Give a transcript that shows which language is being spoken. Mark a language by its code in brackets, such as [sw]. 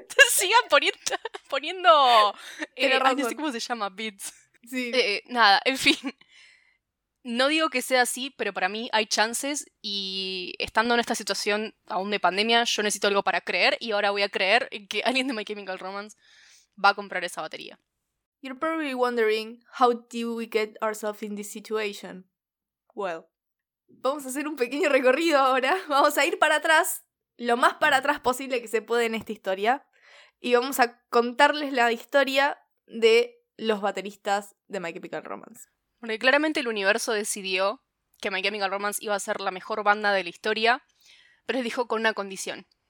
[es] Sigan poniendo... no sé cómo se llama, beats. Sí. Nada, en fin. No digo que sea así, pero para mí hay chances. Y estando en esta situación aún de pandemia, yo necesito algo para creer. Y ahora voy a creer en que alguien de My Chemical Romance va a comprar esa batería. [en] You're probably wondering, how did we get ourselves in this situation? Well, [es] vamos a hacer un pequeño recorrido ahora. Vamos a ir para atrás, lo más para atrás posible que se puede en esta historia. Y vamos a contarles la historia de los bateristas de My Chemical Romance. Porque claramente el universo decidió que My Chemical Romance iba a ser la mejor banda de la historia, pero les dijo con una condición.